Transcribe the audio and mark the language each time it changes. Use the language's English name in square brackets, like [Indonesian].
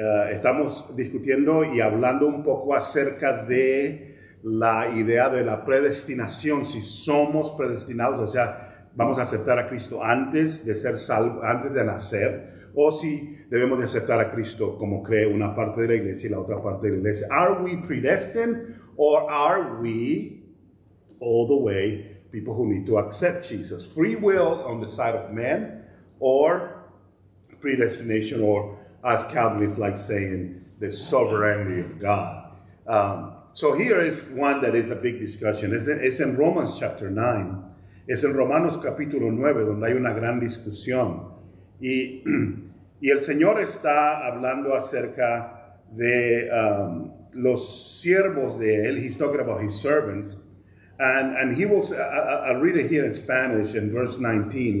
[Spanish] Estamos discutiendo y hablando un poco acerca de la idea de la predestinación. Si somos predestinados, o sea, vamos a aceptar a Cristo antes de ser salvo, antes de nacer, o si debemos de aceptar a Cristo como cree una parte de la iglesia y la otra parte de la iglesia. [English] Are we predestined or are we all the way people who need to accept Jesus? Free will on the side of man or predestination, or as Calvinists like saying, the sovereignty of God. So here is one that is a big discussion. It's in Romans chapter 9. [Spanish] Es en Romanos capítulo 9, donde hay una gran discusión. Y el Señor está hablando acerca de los siervos de él. [English] He's talking about his servants. And he was, I'll read it here in Spanish in verse 19.